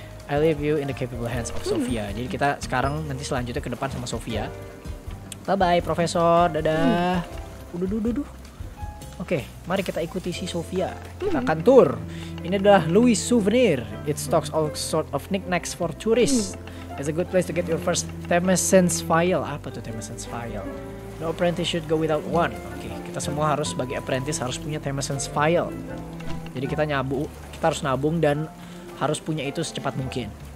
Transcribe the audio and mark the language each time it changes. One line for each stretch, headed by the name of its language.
English: I leave you in the capable hands of Sofia.
Indonesian: Jadi kita sekarang nanti selanjutnya ke depan sama Sofia. Bye-bye, Profesor. Dadah. Uduh. Oke, okay, mari kita ikuti si Sofia. Kita akan tour. Ini adalah Louis Souvenir.
English: It stocks all sort of knickknacks for tourists. It's a good place to get your first Temescence file.
Indonesian: Apa tuh
English: Temescence file? No apprentice should go without one.
Indonesian: Oke, okay, kita semua harus sebagai apprentice harus punya Temescence file. Jadi kita kita harus nabung dan harus punya itu secepat mungkin.